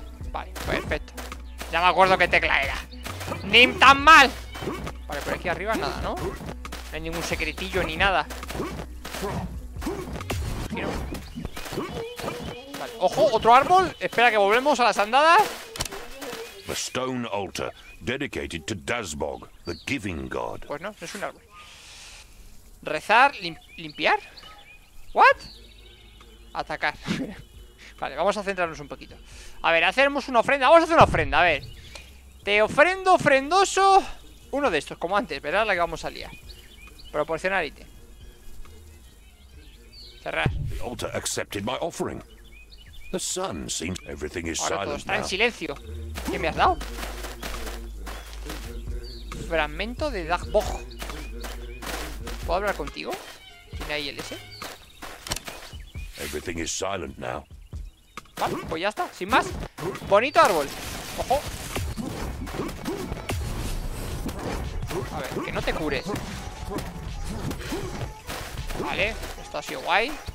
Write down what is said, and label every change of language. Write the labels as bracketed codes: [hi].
[es] Vale, perfecto. Ya me acuerdo qué tecla era. ¡Nim tan mal! Vale, por aquí arriba nada, ¿no? No hay ningún secretillo ni nada. Giro. Ojo, otro árbol. Espera que volvemos a las andadas. [en] The stone altar dedicated to Dazbog, the giving god. [es] Pues no, es un árbol. Rezar, limpiar. [en] What? [es] Atacar. Vale, vamos a centrarnos un poquito. A ver, hacemos una ofrenda. Vamos a hacer una ofrenda, a ver. Te ofrendo, ofrendoso, uno de estos, como antes, ¿verdad? La que vamos a liar. Proporcionar ítem. Cerrar. [en] The altar accepted my offering. The sun seems everything is [es] ahora [en] silent [es] todo está [en] now. [es] En silencio. ¿Qué me has dado? Fragmento de Dagbog. ¿Puedo hablar contigo? ¿Tiene ahí el S? [en] Everything is silent now. [es] Vale, pues ya está, sin más. Bonito árbol. Ojo. A ver, que no te cures. Vale, esto ha sido guay.